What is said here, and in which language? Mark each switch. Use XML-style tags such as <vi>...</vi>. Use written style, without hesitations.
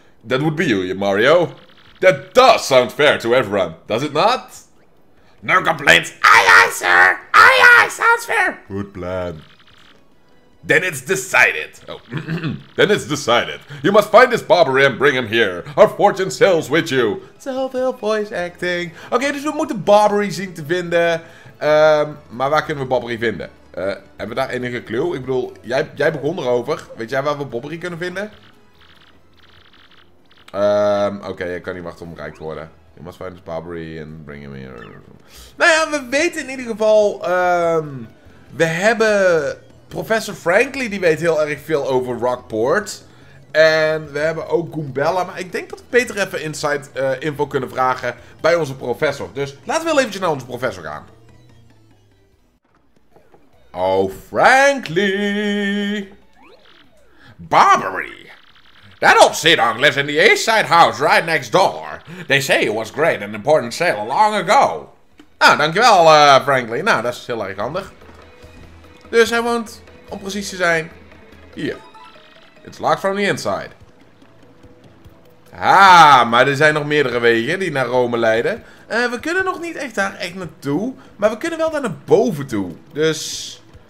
<en>That would be you, Mario. That does sound fair to everyone, does it not? No complaints. Aye aye, sir! Aye aye, sounds fair! Good plan. Then it's decided. Then it's decided. You must find this Barbary and bring him here. Our fortune sails with you.</en> <nl>Zoveel voice acting. Okay, dus we moeten Barbary zien te vinden. Maar waar kunnen we Barbary vinden? Hebben we daar enige clue? Ik bedoel, jij begon erover. Weet jij waar we Barbary kunnen vinden? Oké, ik kan niet wachten om rijk te worden.</nl> <en>You must find this Barbary and bring him here.</en> <nl>Nou ja, we weten in ieder geval... we hebben... Professor Frankly, die weet heel erg veel over Rockport. En we hebben ook Goombella. Maar ik denk dat we beter even</nl> <en>inside info</en> <nl>kunnen vragen bij onze professor. Dus laten we wel eventjes naar onze professor gaan. Oh, Frankly.</nl> <en>Barbary. That old sea dog lives in the east side house right next door. They say it was great and important sail long ago.</en> <nl>Nou, dankjewel, Frankly. Nou, dat is heel erg handig. Dus hij woont... Om precies te zijn. Hier.</nl> <en>It's locked from the inside.</en> <nl>Ah, maar er zijn nog meerdere wegen die naar Rome leiden. We kunnen nog niet echt daar echt naartoe. Maar we kunnen wel daar naar boven toe. Dus.</nl>